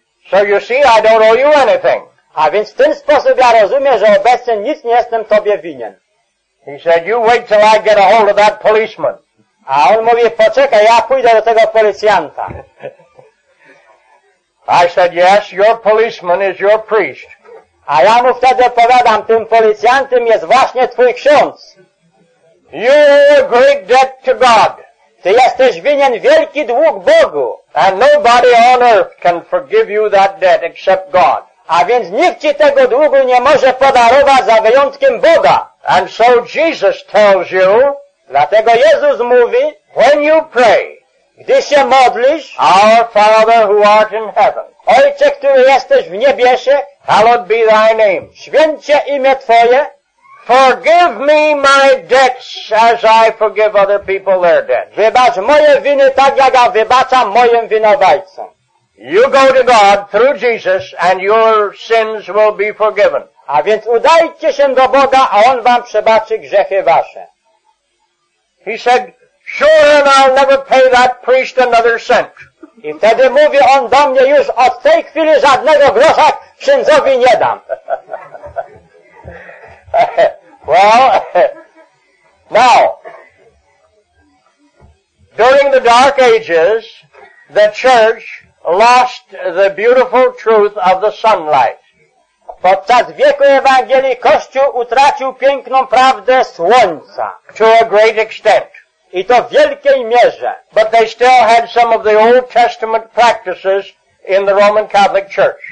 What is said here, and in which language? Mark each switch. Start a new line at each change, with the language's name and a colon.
English: So you see, I don't owe you anything.
Polish: A więc w ten sposób ja rozumiem, że obecnie nic nie jestem tobie winien.
English: He said, you wait till I get a hold of that policeman.
Polish: A on mówi, poczekaj, ja pójdę do tego policjanta.
English: I said, yes, your policeman is your priest.
Polish: A ja mu wtedy odpowiadam, tym policjantem jest właśnie twój ksiądz.
English: You owe a great debt to God.
Polish: Ty jesteś winien wielki dług Bogu.
English: And nobody on earth can forgive you that debt except God.
Polish: A więc nikt ci tego długu nie może podarować za wyjątkiem Boga.
English: And so Jesus tells you,
Polish: dlatego Jezus mówi,
English: when you pray,
Polish: gdy się modlisz,
English: our Father who art in heaven,
Polish: Ojcze, który jesteś w niebiesie,
English: hallowed be thy name,
Polish: święcie imię Twoje,
English: forgive me my debts as I forgive other people their debts.
Polish: Wybacz moje winy tak, jak ja wybaczam moim winowajcom.
English: You go to God through Jesus and your sins will be forgiven.
Polish: A więc udajcie się do Boga, a On wam przebaczy grzechy wasze.
English: He said, sure and I'll never pay that priest another cent.
Polish: I wtedy mówi on do mnie, już od tej chwili żadnego grosza księdzowi nie dam.
English: Well, now, during the Dark Ages, the church lost the beautiful truth of the sunlight.
Polish: Podczas wieku Ewangelii Kościół utracił piękną prawdę słońca.
English: To a great extent.
Polish: I to w wielkiej mierze.
English: But they still had some of the Old Testament practices in the Roman Catholic Church.